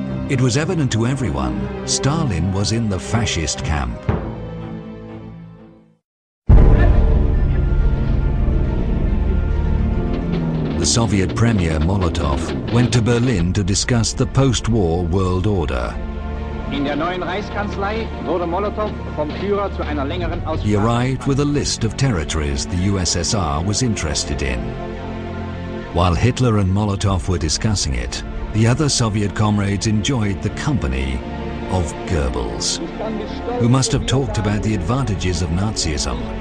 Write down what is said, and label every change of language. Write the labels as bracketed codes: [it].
[en] It was evident to everyone, Stalin was in the fascist camp. The Soviet Premier Molotov went to Berlin to discuss the post-war world order. [de] In der neuen Reichskanzlei wurde Molotov vom Führer zu einer längeren Aussprache. [en] He arrived with a list of territories the USSR was interested in. While Hitler and Molotov were discussing it, the other Soviet comrades enjoyed the company of Goebbels, who must have talked about the advantages of Nazism.